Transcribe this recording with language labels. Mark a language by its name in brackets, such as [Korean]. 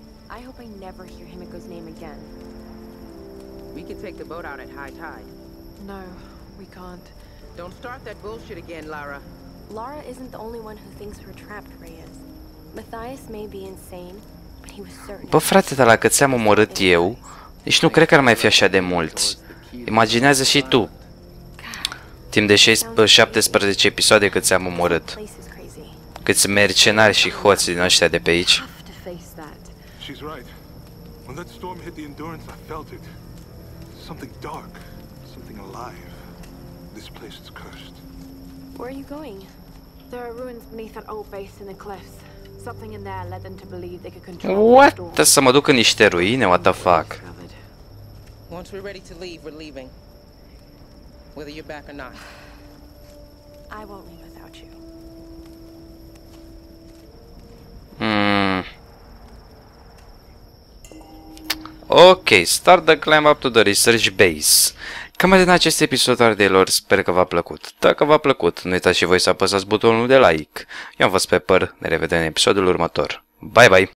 [English] I hope I never hear Himiko's name again. We could take the boat out at high tide. No, we can't. Don't start that bullshit again, Lara. Lara isn't the only one who thinks we're trapped, Reyes. Matthias may be insane, but he was certain. [Romanian] Bă, frate, dar la cât ți-am omorât eu, nici nu cred că ar mai fi așa de mulți. Imaginează și tu. Timp de 17 episoade cât ți-am omorât. Câți mercenari și hoți din ăștia de pe aici. [English] She's right. When that storm hit the Endurance, I felt it. Something dark, something alive. This place is cursed. Where are you going? There are ruins beneath that old base in the cliffs. Something in there led them to believe they could control the storm. What? [Romanian] Da, să mă duc în niște ruine, [English] what the fuck? Once we're ready to leave, we're leaving. Whether you're back or not. I won't leave without you. Ok, start the climb up to the research base. [Romanian] Cam atât în acest episod, ardeilor, sper că v-a plăcut. Dacă v-a plăcut, nu uitați și voi să apăsați butonul de like. Eu am fost Pepper, ne revedem în episodul următor. [English] Bye, bye!